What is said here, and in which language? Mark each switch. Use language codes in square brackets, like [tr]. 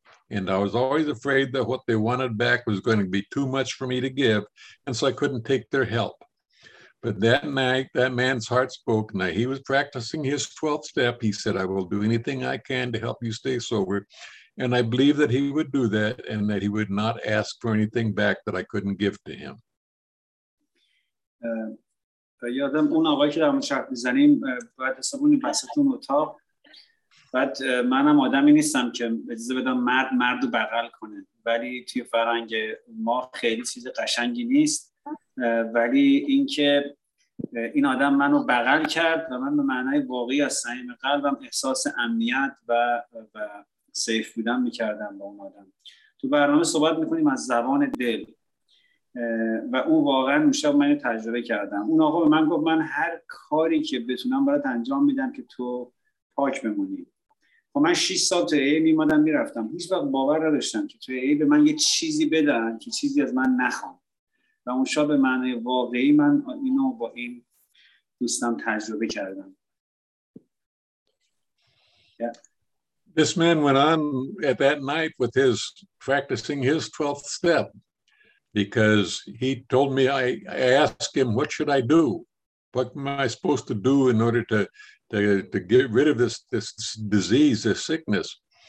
[en] And I was always afraid that what they wanted back was going to be too much for me to give, and so I couldn't take their help. But that night, that man's heart spoke. Now, he was practicing his 12th step. He said, I will do anything I can to help you stay sober. And I believe that he would do that and that he would not ask for anything back that I couldn't give to him. [fa] یادم اون آقایی که در مورد شرط میزنیم باید حسابونی بستتون اتاق. بعد منم آدمی نیستم که اجازه بدم مرد مرد رو بغل کنه. ولی توی فرهنگ ما خیلی چیز قشنگی نیست. ولی اینکه این آدم منو بغل کرد و من به معنای واقعی از صمیم قلبم احساس امنیت و سیف بودن میکردم با اون آدم. تو برنامه صحبت میکنیم از زبان دل و اون واقعا میشه من تجربه کردم. اون آقا به من گفت من هر کاری که بتونم برات انجام میدم که تو پاک بمونی. خب من 6 سال تو ای میمادم میرفتم، هیچ وقت باور نداشتم که تو ای به من یه چیزی بدن که چیزی از من نخوام. و اون شب به معنی واقعی من اینو با این دوستم تجربه کردم. [en] Yeah. This man went on at that night with his practicing his 12th step because he told me, I asked him, what should I do? What am I supposed to do in order to get rid of this disease, this sickness?